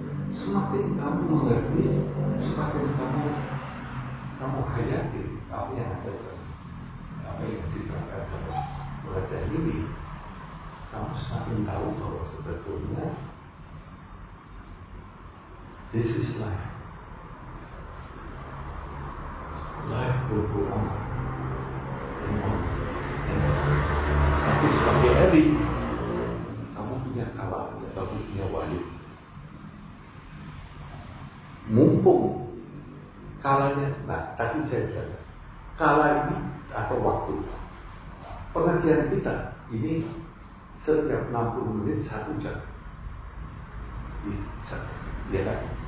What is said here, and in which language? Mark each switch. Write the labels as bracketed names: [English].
[Indonesian] Semakin kamu mengerti, semakin kamu hayati apa yang ada dalam apa yang diterangkan dalam wajah ini, kamu semakin tahu bahwa sebetulnya [English] this is life. Life will go on and on and on. [Indonesian] Tapi sebagai Eri, kamu punya kalah, kamu punya wajib. Mumpung kalanya, nah tadi saya bilang kala ini atau waktu pengertian kita ini setiap 60 menit 1 jam ini, ya kan?